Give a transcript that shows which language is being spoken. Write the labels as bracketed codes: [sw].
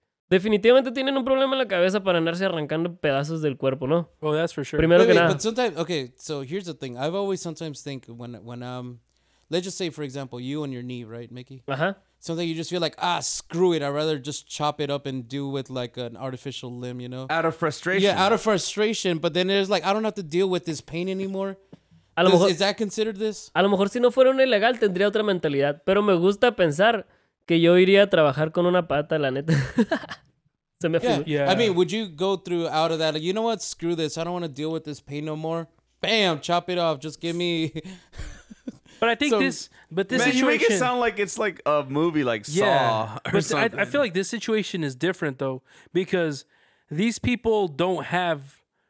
[es] Definitivamente tienen un problema en la cabeza para andarse arrancando pedazos del cuerpo, ¿no? [en] Oh, that's for sure. [es] Primero [en] wait, [es] que [en] wait, [es] nada. [en] But sometimes, okay, so here's the thing. I've always sometimes think when let's just say, for example, you and your knee, right, Mickey? Uh-huh. Something you just feel like, ah, screw it. I'd rather just chop it up and do with like an artificial limb, you know? Out of frustration. Yeah, out of frustration. But then it's like, I don't have to deal with this pain anymore. [es] A lo mejor, [en] is that considered this? [es] A lo mejor si no fuera un ilegal, tendría otra mentalidad. Pero me gusta pensar... Que yo iría a trabajar con una pata, la neta. Se me [en] yeah. Yeah. I mean, would you go through out of that? Like, you know what? Screw this. I don't want to deal with this pain no more. Bam, chop it off. Just give me. But I think so, this. But this man, situation. You make it sound like it's like a movie, like yeah, Saw. Or but something. I feel like this situation is different though, because these people don't have.